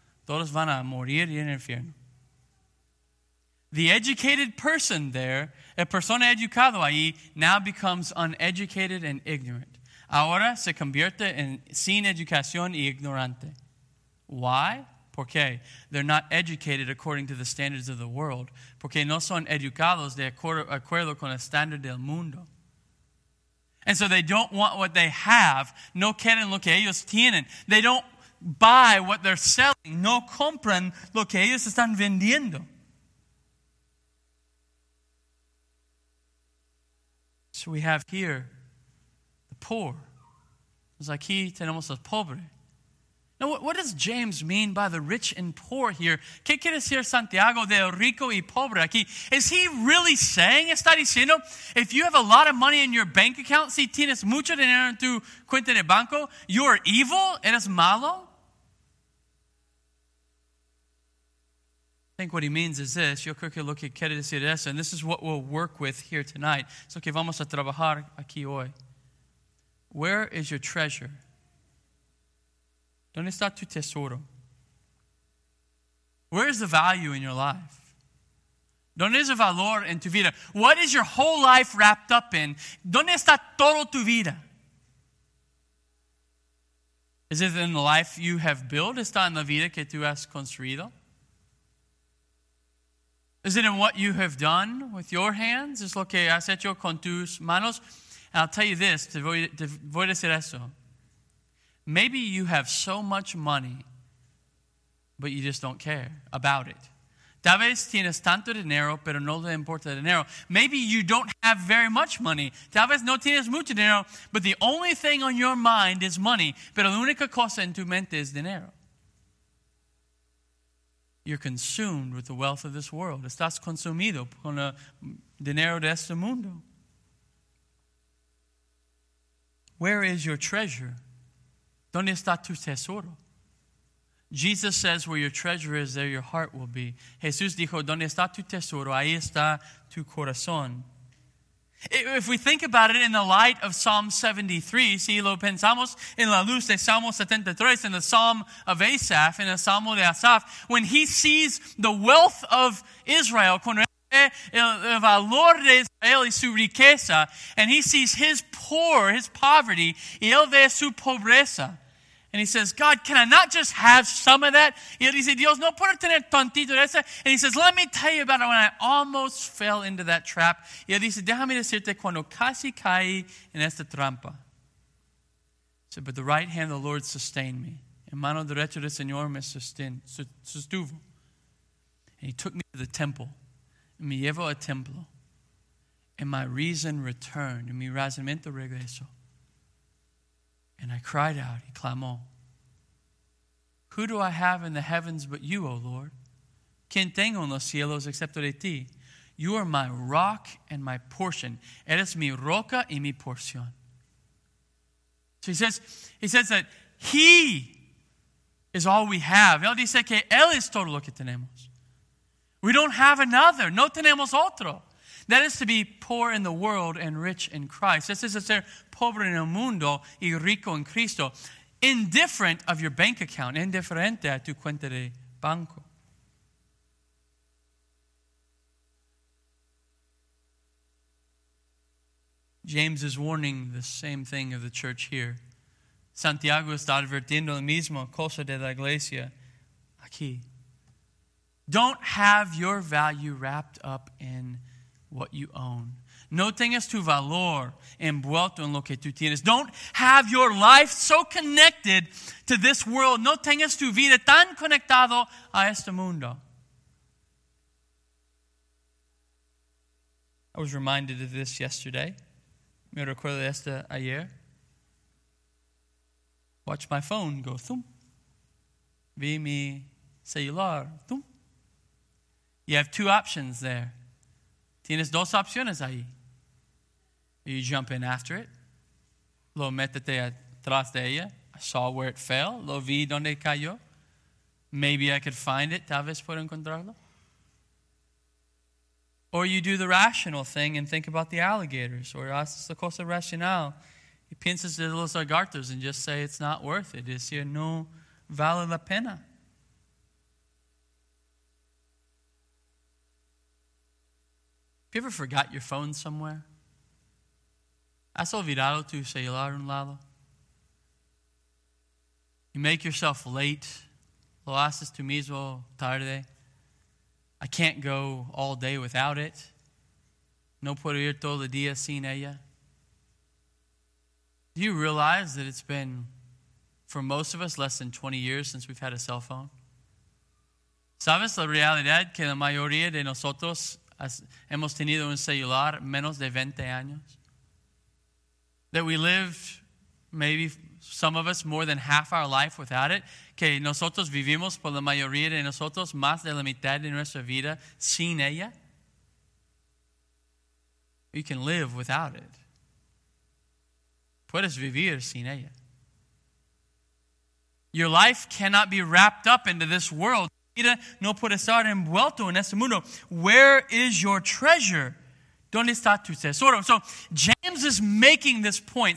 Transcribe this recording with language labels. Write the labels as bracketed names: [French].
[Spanish] Todos van a morir y en el infierno. [English] The educated person there, [Spanish] el persona educado ahí, [English] now becomes uneducated and ignorant. [Spanish] Ahora se convierte en sin educación y ignorante. [English] Why? Porque they're not educated according to the standards of the world. [Spanish] Porque no son educados de acuerdo con el standard del mundo. [English] And so they don't want what they have. [Spanish] No quieren lo que ellos tienen. [English] They don't buy what they're selling. [Spanish] No compran lo que ellos están vendiendo. [English] So we have here the poor. It's like [Spanish] aquí tenemos los pobres. [English] Now, what does James mean by the rich and poor here? [Spanish] ¿Qué quiere decir Santiago de rico y pobre aquí? [English] Is he really saying, [Spanish] está diciendo, [English] if you have a lot of money in your bank account, [Spanish] si tienes mucho dinero en tu cuenta de banco, [English] you are evil, [Spanish] eres malo? [English] I think what he means is this. [Spanish] Yo creo que lo que quiere decir es, [English] and this is what we'll work with here tonight. [Spanish] Es lo que vamos a trabajar aquí hoy. [English] Where is your treasure? [Spanish] ¿Dónde está tu tesoro? [English] Where is the value in your life? [Spanish] ¿Dónde es el valor en tu vida? [English] What is your whole life wrapped up in? [Spanish] ¿Dónde está todo tu vida? [English] Is it in the life you have built? [Spanish] ¿Está en la vida que tú has construido? [English] Is it in what you have done with your hands? [Spanish] ¿Es lo que has hecho con tus manos? [English] And I'll tell you this, [Spanish] te voy a decir eso. [English] Maybe you have so much money, but you just don't care about it. [Spanish] Tal vez tienes tanto dinero, pero no te importa el dinero. [English] Maybe you don't have very much money. [Spanish] Tal vez no tienes mucho dinero, [English] but the only thing on your mind is money. [Spanish] Pero la única cosa en tu mente es dinero. [English] You're consumed with the wealth of this world. [Spanish] Estás consumido con el dinero de este mundo. [English] Where is your treasure? [Spanish] ¿Dónde está tu tesoro? [English] Jesus says, where your treasure is, there your heart will be. [Spanish] Jesús dijo, ¿dónde está tu tesoro? Ahí está tu corazón. [English] If we think about it in the light of Psalm 73, [Spanish] si lo pensamos en la luz de Salmo 73, [English] in the Psalm of Asaph, in the Salmo de Asaph, when he sees the wealth of Israel, [Spanish] el valor de Israel y su riqueza, [English] and he sees his poverty, [Spanish] y él ve su pobreza. [English] And he says, God, can I not just have some of that? [Spanish] Y él dice, Dios, no puedo tener tantito de eso. [English] And he says, let me tell you about it when I almost fell into that trap. [Spanish] Y él dice, déjame decirte cuando casi caí en esta trampa. [English] He said, but the right hand of the Lord sustained me. [Spanish] En mano derecha del Señor me sostuvo. [English] And he took me to the temple. [Spanish] Me llevo al templo. [English] And my reason returned. [Spanish] Mi razonamiento regresó. [English] And I cried out, [Spanish] he clamó. [English] Who do I have in the heavens but you, O Lord? [Spanish] ¿Quién tengo en los cielos excepto de ti? [English] You are my rock and my portion. [Spanish] Eres mi roca y mi porción. [English] So he says that he is all we have. [Spanish] Él dice que él es todo lo que tenemos. [English] We don't have another. [Spanish] No tenemos otro. [English] That is to be poor in the world and rich in Christ. This is to say, [Spanish] pobre en el mundo y rico en Cristo. [English] Indifferent of your bank account. [Spanish] Indiferente a tu cuenta de banco. [English] James is warning the same thing of the church here. [Spanish] Santiago está advirtiendo lo mismo. Cosa de la iglesia aquí. [English] Don't have your value wrapped up in what you own. [Spanish] No tengas tu valor envuelto en lo que tú tienes. [English] Don't have your life so connected to this world. [Spanish] No tengas tu vida tan conectado a este mundo. [English] I was reminded of this yesterday. [Spanish] Me recuerdo de esto ayer. [English] Watch my phone go thum. [Spanish] Vi mi celular thum. [English] You have two options there. [Spanish] Tienes dos opciones ahí. [English] You jump in after it. [Spanish] Lo métete atrás de ella. [English] I saw where it fell. [Spanish] Lo vi donde cayó. [English] Maybe I could find it. [Spanish] Tal vez puedo encontrarlo. [English] Or you do the rational thing and think about the alligators. Or [Spanish] haces la cosa racional. Y piensas de los lagartos [English] and just say it's not worth it. [Spanish] Es decir, no vale la pena. [English] Have you ever forgot your phone somewhere? [Spanish] ¿Has olvidado tu celular un lado? [English] You make yourself late. [Spanish] Lo haces tú mismo tarde. [English] I can't go all day without it. [Spanish] No puedo ir todo el día sin ella. [English] Do you realize that it's been, for most of us, less than 20 years since we've had a cell phone? [Spanish] ¿Sabes la realidad que la mayoría de nosotros hemos tenido un celular menos de 20 años? [English] That we live, maybe some of us, more than half our life without it. [Spanish] Que nosotros vivimos, por la mayoría de nosotros, más de la mitad de nuestra vida sin ella. [English] You can live without it. [Spanish] Puedes vivir sin ella. [English] Your life cannot be wrapped up into this world. [Spanish] No puede estar envuelto en este mundo. [English] Where is your treasure? [Spanish] ¿Dónde está tu tesoro? [English] So James is making this point.